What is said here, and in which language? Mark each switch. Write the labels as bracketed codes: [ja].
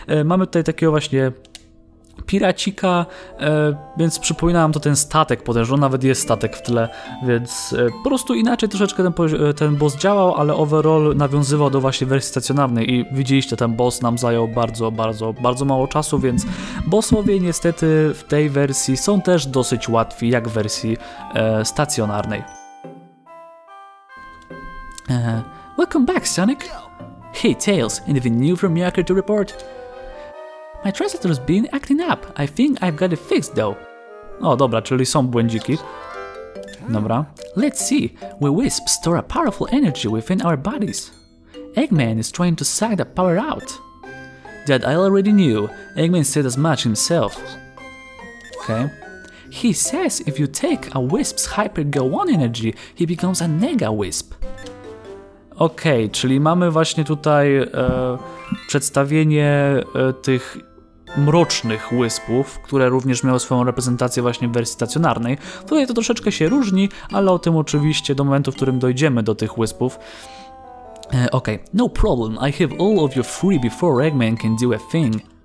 [pl] Mamy tutaj takiego właśnie piracika, więc przypomina nam to ten statek potężny, nawet jest statek w tle, więc po prostu inaczej troszeczkę ten boss działał, ale overall nawiązywał do właśnie wersji stacjonarnej i widzieliście, ten boss nam zajął bardzo, bardzo, bardzo mało czasu, więc bossowie niestety w tej wersji są też dosyć łatwi jak w wersji stacjonarnej. [en] Welcome back, Sonic. Hey, Tails, anything new from Yakker to report? My translator's been acting up. I think I've got it fixed, though. [pl] O, dobra, czyli są błędziki. Dobra. [en] Let's see. We wisps store a powerful energy within our bodies. Eggman is trying to suck that power out. That I already knew. Eggman said as much himself. Okay. He says if you take a wisp's hyper-go-on energy, he becomes a nega-wisp. [pl] Okej, okay, czyli mamy właśnie tutaj przedstawienie tych mrocznych wyspów, które również miały swoją reprezentację właśnie w wersji stacjonarnej. Tutaj to troszeczkę się różni, ale o tym oczywiście do momentu, w którym dojdziemy do tych wyspów. Okej, okay. [en] No problem, I have all of your three before Eggman can do a thing.